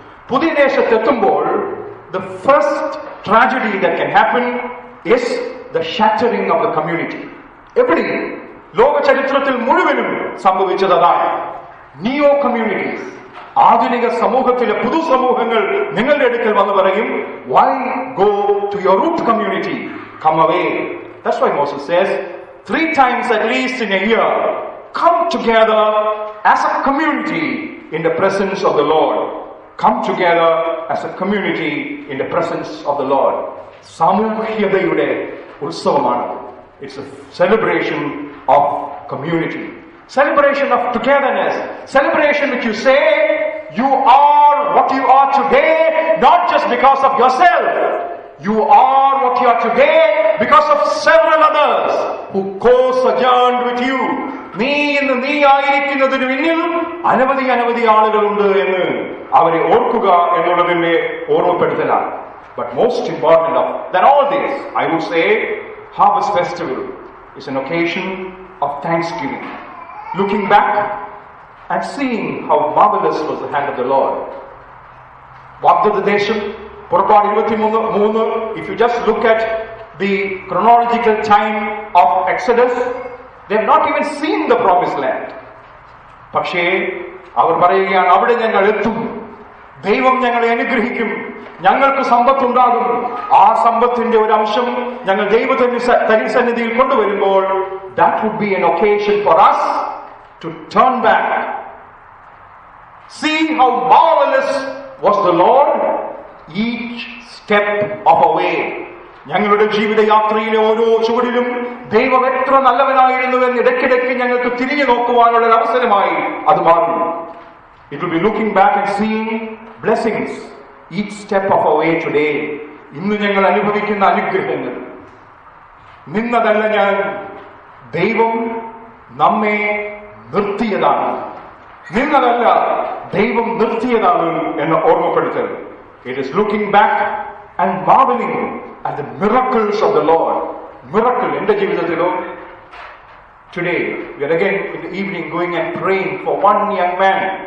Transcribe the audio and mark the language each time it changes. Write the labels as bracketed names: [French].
[Malayalam] പുതിയ ദേശത്തെത്തുമ്പോൾ [English] The first tragedy that can happen is the shattering of the community. [Malayalam] എവിടെ ലോക ചരിത്രത്തിൽ മുഴുവനും സംഭവിച്ചത് അതാണ്. നിയോ കമ്മ്യൂണിറ്റീസ്, ആധുനിക സമൂഹത്തിലെ പുതു സമൂഹങ്ങൾ നിങ്ങളുടെ അടുക്കൽ വന്ന് പറയും, [English] why go to your root community, come away. That's why Moses says, three times at least in a year, come together as a community in the presence of the Lord. Come together as a community in the presence of the Lord. [Malayalam] സാമൂഹ്യതയുടെ ഉത്സവമാണ്. [English] It's a celebration of community. Celebration of togetherness. Celebration which you say, you are what you are today, not just because of yourself. You are what you are today because of several others who co-sojourned with you. [Malayalam] നീ ഇന്ന് നീ ആയിരിക്കുന്നതിന് പിന്നിൽ അനവധി അനവധി ആളുകളുണ്ട് എന്ന് അവരെ ഓർക്കുക എന്നുള്ളതിന്റെ ഓർമ്മപ്പെടുത്തലാണ്. [English] But most important of than all this, I would say, Harvest Festival is an occasion of thanksgiving. Looking back and seeing how marvelous was the hand of the Lord. Vaagdatha Desham, Purappaadu 23, if you just look at the chronological time of Exodus, they have not even seen the promised land. [Malayalam] Pakshe, avar parayukayanu, avide njangal ethum. ദൈവം ഞങ്ങളെ അനുഗ്രഹിക്കും, ഞങ്ങൾക്ക് സമ്പത്തുണ്ടാകും. ആ സമ്പത്തിന്റെ ഒരു അംശം ഞങ്ങൾ ദൈവസന്നിധിയിൽ കൊണ്ടുവരുമ്പോൾ [English] that would be an occasion for us to turn back. See how marvelous was the Lord each step of the way. [Malayalam] ഞങ്ങളുടെ ജീവിതയാത്രയിലെ ഓരോ ചുവടിലും ദൈവം എത്ര നല്ലവനായിരുന്നു എന്ന് ഇടയ്ക്കിടയ്ക്ക് ഞങ്ങൾക്ക് തിരിഞ്ഞു നോക്കുവാനുള്ള ഒരു അവസരമായി അത് മാറി. [English] It will be looking back and seeing blessings each step of our way today. [Malayalam] ഇന്നു ഞങ്ങൾ അനുഭവിക്കുന്ന അനുഗ്രഹങ്ങൾ നിന്നതല്ല ഞാൻ, ദൈവം നമ്മെ നിർത്തിയതാണ്. നിന്നതല്ല ദൈവം നിർത്തിയതാണ് എന്ന് ഓർമ്മപ്പെടുത്തൽ. [English] It is looking back and marveling at the miracles of the Lord. Miracle in the jeevithathilo. Today we are again in the evening going and praying for one young man.